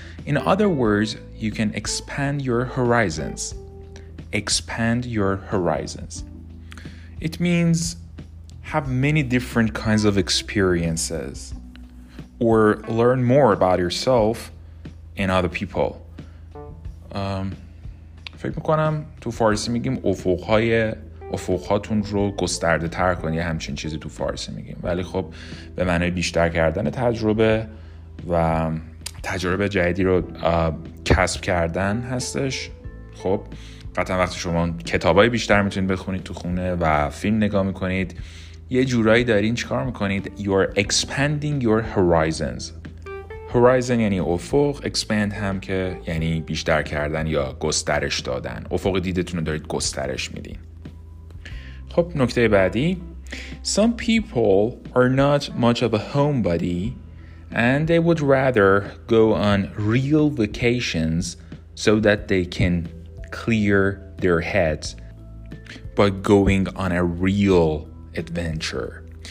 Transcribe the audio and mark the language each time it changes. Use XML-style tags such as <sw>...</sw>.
<en>In other words, you can expand your horizons. Expand your horizons. It means have many different kinds of experiences. Or learn more about yourself and other people.</en> <fa>فکر میکنم تو فارسی میگیم افقهاتون رو گسترده تر کن، یه همچین چیزی تو فارسی میگیم، ولی خب به معنی بیشتر کردن تجربه و تجربه جدیدی رو کسب کردن هستش. خب قطعا وقتی شما کتابای بیشتر میتونید بخونید تو خونه و فیلم نگاه میکنید، یه جورایی دارین چیکار میکنید؟</fa> <en>You are expanding your horizons.</en> <fa>Horizon یعنی افق، expand هم که یعنی بیشتر کردن یا گسترش دادن. افق دیدتون رو دارید گسترش میدین. خب نکته بعدی،</fa> <en>Some people are not much of a homebody and they would rather go on real vacations so that they can clear their heads by going on a real adventure.</en>